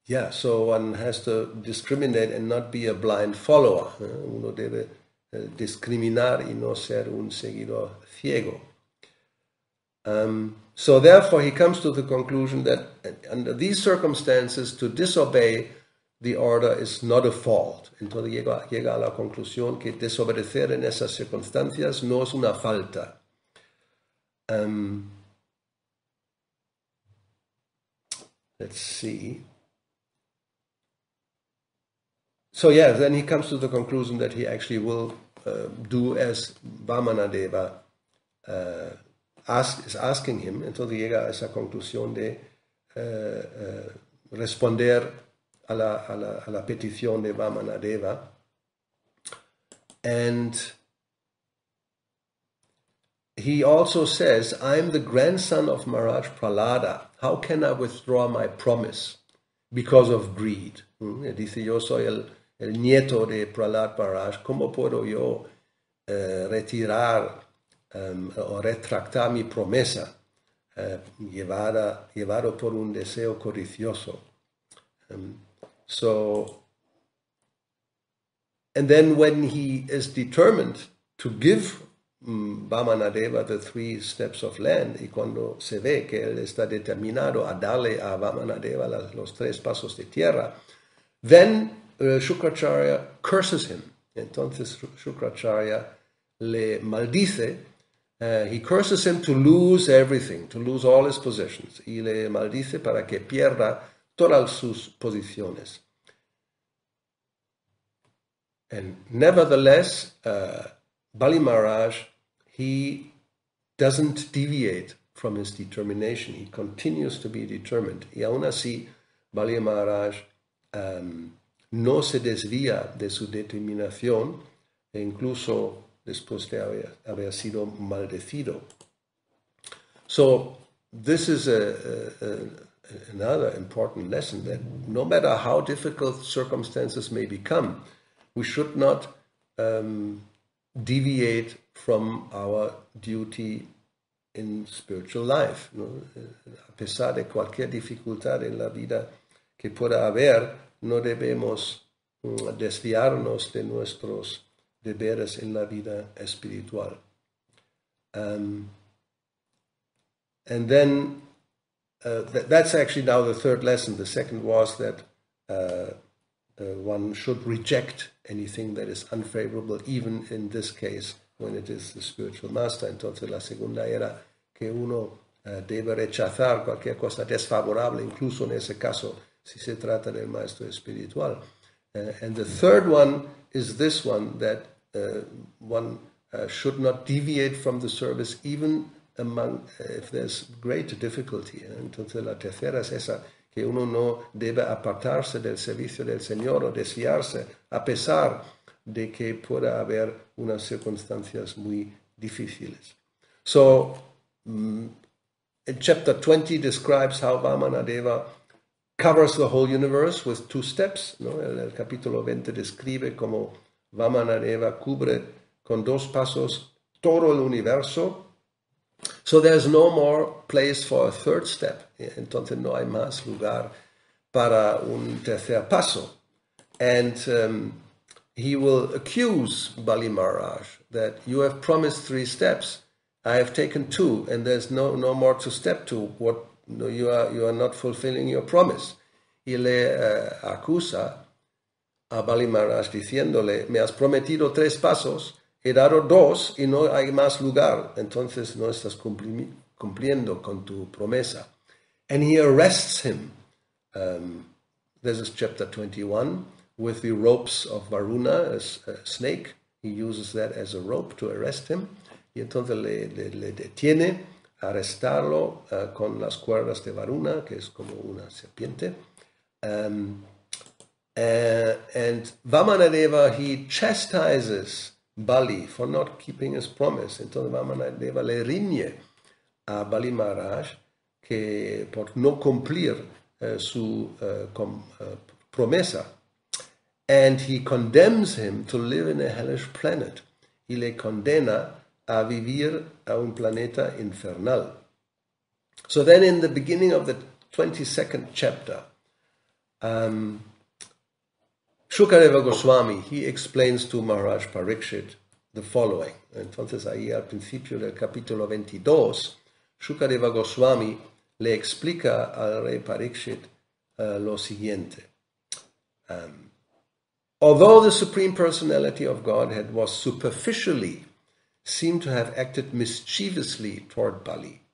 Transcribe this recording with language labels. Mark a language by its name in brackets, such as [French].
[English] So one has to discriminate and not be a blind follower. [Spanish] Uno debe discriminar y no ser un seguidor ciego. [English] So therefore he comes to the conclusion that under these circumstances to disobey the order is not a fault. [Spanish] Entonces llega a la conclusión que desobedecer en esas circunstancias no es una falta. [English] Let's see. So yeah, then he comes to the conclusion that he actually will do as Vamanadeva is asking him. [Spanish] Entonces llega a esa conclusión de responder a la petición de Vamanadeva. [English] And he also says, I am the grandson of Maharaj Prahlada. How can I withdraw my promise because of greed? [Spanish] Dice, yo soy el nieto de Prahlad Maharaj, ¿cómo puedo yo retirar o retractar mi promesa llevado por un deseo codicioso? So [English] And then when he is determined to give Vamanadeva the three steps of land, [Spanish] y cuando se ve que él está determinado a darle a Vamanadeva los tres pasos de tierra, [English] then Shukracharya curses him. [Spanish] Entonces Shukracharya le maldice. [English] He curses him to lose everything, to lose all his possessions. [Spanish] Y le maldice para que pierda todas sus posiciones. [English] And nevertheless, Bali Maharaj, he doesn't deviate from his determination. He continues to be determined. [Spanish] Y aún así, Bali Maharaj no se desvía de su determinación, e incluso después de haber sido maldecido. [English] So, this is another important lesson, that no matter how difficult circumstances may become, we should not deviate from our duty in spiritual life. [Spanish] ¿No? A pesar de cualquier dificultad en la vida que pueda haber, no debemos desviarnos de nuestros deberes en la vida espiritual. [English] And then, that's actually now the third lesson. The second was that one should reject anything that is unfavorable, even in this case, when it is the spiritual master. [Spanish] Entonces, la segunda era que uno debe rechazar cualquier cosa desfavorable, incluso en ese caso, si se trata del maestro espiritual. [English] And the third one is this one, that one should not deviate from the service, even among if there's great difficulty. [Spanish] Entonces, la tercera es esa, que uno no debe apartarse del servicio del Señor o desviarse, a pesar de que pueda haber unas circunstancias muy difíciles. [English] So, chapter 20 describes how Vamanadeva covers the whole universe with two steps. [Spanish] ¿No? El capítulo 20 describe cómo Vamanadeva cubre con dos pasos todo el universo. [English] So there's no more place for a third step. [Spanish] Entonces no hay más lugar para un tercer paso. [English] And he will accuse Bali Maharaj that you have promised three steps. I have taken two and there's no more to step to. What, no, you are not fulfilling your promise. [Spanish] Y le acusa a Bali Maharaj diciéndole, me has prometido tres pasos, he dado dos y no hay más lugar. Entonces no estás cumpliendo con tu promesa. [English] And he arrests him. This is chapter 21, with the ropes of Varuna, a snake. He uses that as a rope to arrest him. [Spanish] Y entonces le detiene a arrestarlo con las cuerdas de Varuna, que es como una serpiente. [English] And Vamanadeva, he chastises Bali for not keeping his promise. [Spanish] Entonces Vamanadeva le riñe a Bali Maharaj que por no cumplir su promesa. [English] And he condemns him to live in a hellish planet. [Spanish] Y le condena a vivir a un planeta infernal. [English] So then in the beginning of the 22nd chapter, Shukadeva Goswami, he explains to Maharaj Parikshit the following. [Spanish] Entonces, ahí al principio del capítulo 22, Shukadeva Goswami le explica al rey Parikshit lo siguiente. [English] Although the Supreme Personality of Godhead was superficially seemed to have acted mischievously toward Bali.